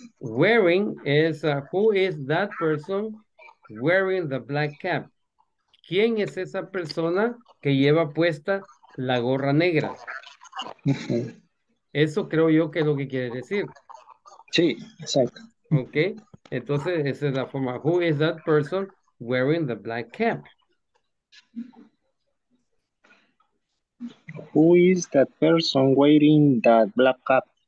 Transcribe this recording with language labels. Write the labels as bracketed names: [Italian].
[English] Wearing es, who is that person wearing the black cap? [Spanish] ¿Quién es esa persona que lleva puesta la gorra negra? Eso creo yo que es lo que quiere decir. Sí, exacto. Ok, entonces esa es la forma. [English] Who is that person wearing the black cap? Who is that person wearing that black cap?